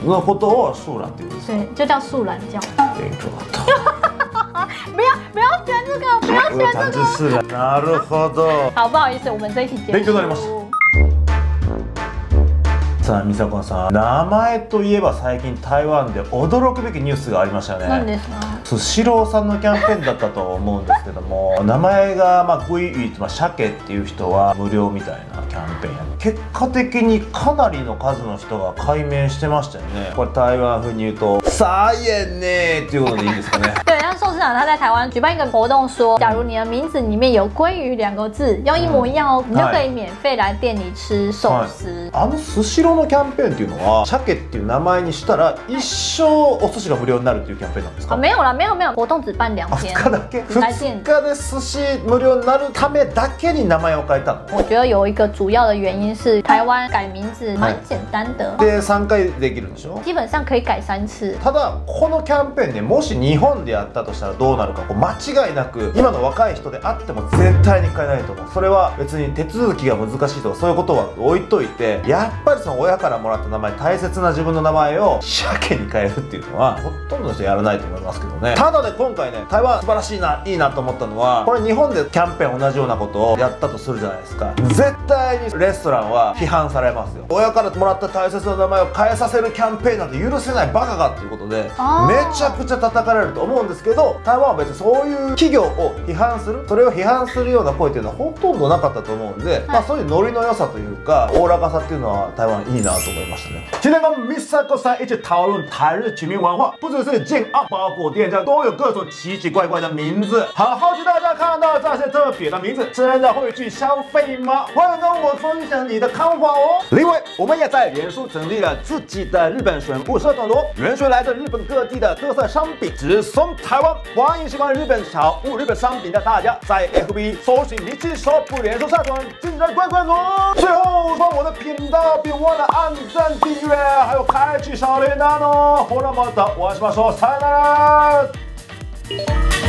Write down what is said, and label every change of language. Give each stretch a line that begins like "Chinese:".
Chinese: 那活动我素懒对不对？对，就叫素懒叫。清楚了。不要不要选这个，不要选这个。
Japanese: なるほど。
Chinese: 好，不好意思，我们这一题结束。
Japanese: 勉強になります。さあ、美佐子さん、名前といえば最近台湾で驚くべきニュースがありましたね。何ですか？スシローさんのキャンペーンだったと思うんですけども、名前がまあグイイ、まあ鮭っていう人は無料みたいなキャンペーン。結果的にかなりの数の人が改名してましたよね。これ台湾風に言うと、傻眼ねえっていうことでいいんですかね？
Chinese: 对，像寿司长他在台湾举办一个活动说，假如你的名字里面有鲑鱼两个字，用一模一样哦，你就可以免费来店里吃寿司。
Japanese: あのスシローこのキャンペーンっていうのは、鮭っていう名前にしたら一生お寿司が無料になるっていうキャンペーンなんですか？
Chinese: あ、没有啦、没有没有、活動只办两天。
Japanese: 2日だけ？ 2日で寿司無料になるためだけに名前を変えたの？
Chinese: 我觉得有一个主要的原因是台湾改名字蛮简单的。
Japanese: で、3回できるんでしょ？
Chinese: 基本上可以改3次。
Japanese: ただこのキャンペーンね、もし日本でやったとしたらどうなるか、こう間違いなく今の若い人であっても絶対に変えないと思う。それは別に手続きが難しいとかそういうことは置いといて、やっぱりその親からもらった名前、大切な自分の名前を鮭に変えるっていうのはほとんどの人やらないと思いますけどね。ただね、今回ね、台湾素晴らしいな、いいなと思ったのは、これ日本でキャンペーン同じようなことをやったとするじゃないですか、絶対にレストランは批判されますよ。親からもらった大切な名前を変えさせるキャンペーンなんて許せないバカがっていうことで、めちゃくちゃ叩かれると思うんですけど、台湾は別にそういう企業を批判する、それを批判するような声っていうのはほとんどなかったと思うんで、まあそういうノリの良さというか、おおらかさっていうのは台湾いいなと思いましたね。
Chinese: 今天跟Misako さん一起讨论台日取名文化，不只是建案，包括店家都有各种奇奇怪怪的名字。很好奇大家看到这些特别的名字，真的会去消费吗？欢迎跟我分享你的看法哦。另外，我们也在脸书成立了自己的日本选物社团哦，选出来自日本各地的特色商品直送台湾。欢迎喜欢日本潮物、日本商品的大家在 FB 搜寻日记 shop 脸书社团进来逛逛哦。最后，把我的频道别忘了按赞、订阅，还有开启小铃铛哦。好了，我们再说，再见。